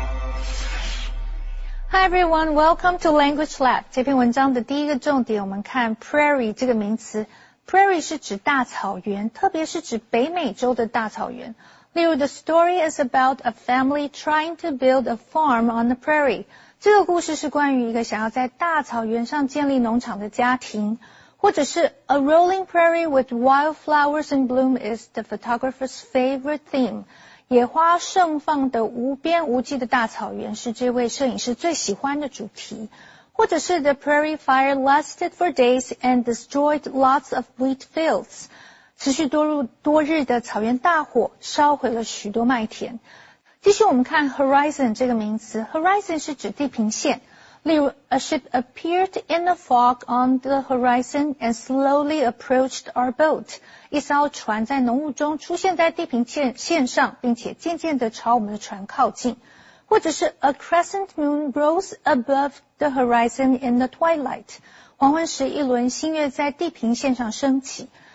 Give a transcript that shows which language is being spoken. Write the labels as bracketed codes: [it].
[en] Hi everyone, welcome to Language Lab. [zh] 这篇文章的第一个重点，我们看 prairie 这个名词。 Prairie 是指大草原，特别是指北美洲的大草原。例如 [en] the story is about a family trying to build a farm on the prairie. [zh] 这个故事是关于一个想要在大草原上建立农场的家庭。或者是 [en] a rolling prairie with wildflowers in bloom is the photographer's favorite theme. [zh] 野花盛放的无边无际的大草原是这位摄影师最喜欢的主题。或者是 [en] The prairie fire lasted for days and destroyed lots of wheat fields. [zh] 持续多日的草原大火烧毁了许多麦田。继续我们看 horizon 这个名词。horizon 是指地平线。例如 [en] a ship appeared in the fog on the horizon and slowly approached our boat. [zh] 一艘船在浓雾中出现在地平线上并且渐渐地朝我们的船靠近。或者是 [en] a crescent moon rose above the horizon in the twilight. [zh] 黄昏时一轮新月在地平线上升起。